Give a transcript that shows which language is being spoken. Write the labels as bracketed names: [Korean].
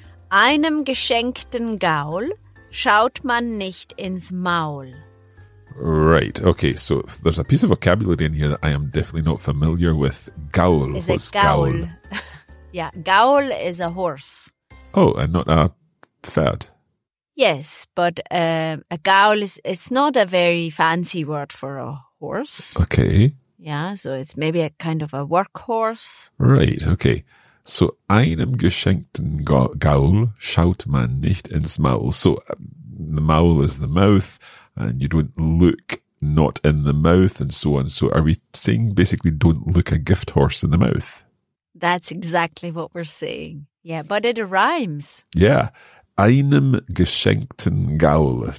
[German] Einem geschenkten Gaul schaut man nicht ins Maul. [English] Right, okay, so there's a piece of vocabulary in here that I am definitely not familiar with. Gaul, is what's it Gaul? Gaul? Yeah, Gaul is a horse. Oh, and not a [German] pferd. [English] Yes, but a Gaul is, it's not a very fancy word for a horse. Okay. Yeah, so it's maybe a kind of a workhorse. Right, okay. [German] So, einem geschenkten Gaul schaut man nicht ins Maul. [English] So, the Maul is the mouth, and you don't look not in the mouth, and so on. So, are we saying basically don't look a gift horse in the mouth? That's exactly what we're saying. Yeah, but it rhymes. [German] Yeah. Einem geschenkten Gaul.